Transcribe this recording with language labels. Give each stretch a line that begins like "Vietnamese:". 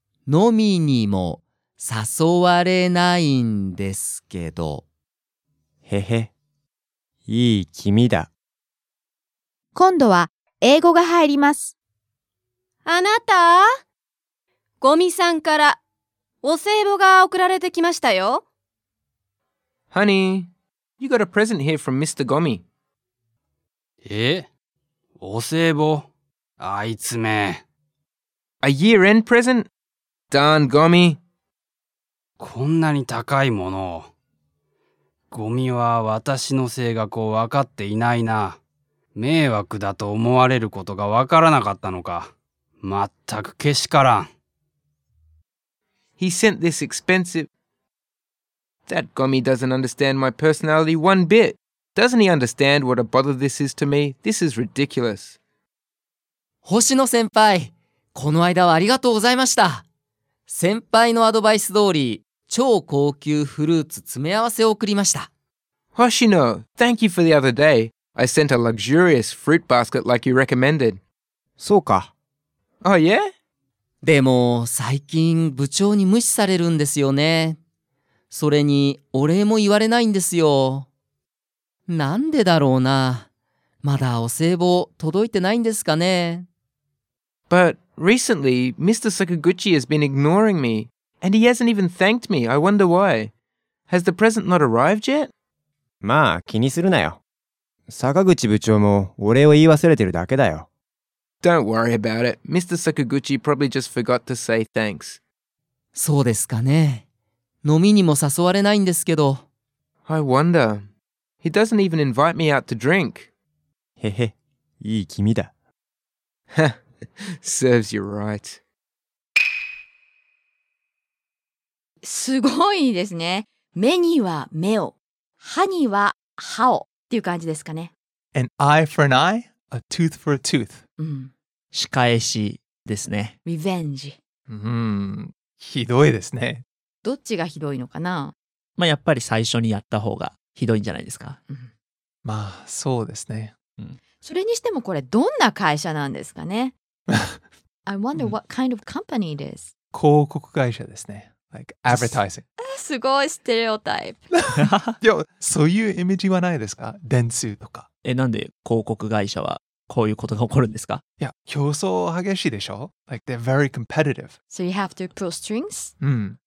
Japanese: 飲みにも誘われないんですけど。へへ、いい気味だ。今度は英語が入ります。あなた、ゴミさんからお歳暮が送られてきましたよ。
English: Honey, you got a present here from Mr. Gomi.
Japanese: え？お歳暮？あいつめ。
English: A year-end present? Darn Gomi.
Japanese: こんなに高いものを。ゴミは私の性格を分かっていないな。迷惑だと思われることがわからなかったのか。まったくけしからん。
English: He sent this expensive... That Gomi doesn't understand my personality one bit. Doesn't he understand what a bother this is to me? This is ridiculous.
Japanese: 星野先輩、この間はありがとうございました。先輩のアドバイス通り、超高級フルーツ詰め合わせを送りました。
English: Hoshino, thank you for the other day. I sent a luxurious fruit basket like you recommended.
Japanese: そうか。
English: Oh yeah?
Japanese: でも、最近部長に無視されるんですよね。それに、お礼も言われないんですよ。なんでだろうな。まだお歳暮届いてないんですかね。
English: But recently, Mr. Sakaguchi has been ignoring me, and he hasn't even thanked me. I wonder why. Has the present not arrived yet?
Japanese: まあ気にするなよ。坂口部長もお礼を言い忘れてるだけだよ。
English: Don't worry about it. Mr. Sakaguchi probably just forgot to say thanks.
Japanese: そうですかね。飲みにも誘われないんですけど。
English: I wonder. He doesn't even invite me out to drink.
Japanese: へへ、いい気味だ。
English: Serves you right.
Japanese: すごいですね。目には目を。歯には歯をっていう感じですかね。
English: An eye for an eye, a tooth for a tooth.
Japanese: 仕返しですね。
English: Revenge.
Japanese: ひどいですね。どっちがひどいのかな。まあやっぱり最初にやった方がひどいんじゃないですか。まあそうですね。それにしてもこれどんな会社なんですかね。
English: I wonder what kind of company it is.
Japanese: 広告会社ですね。
English: Like advertising.
Japanese: すごいステレオタイプ。いや、そういうイメージはないですか？電通とか。え、なんで広告会社はこういうことが起こるんですか？いや、競争激しいでしょ？
English: Like they're very competitive. So you have to pull strings?
Japanese: うん。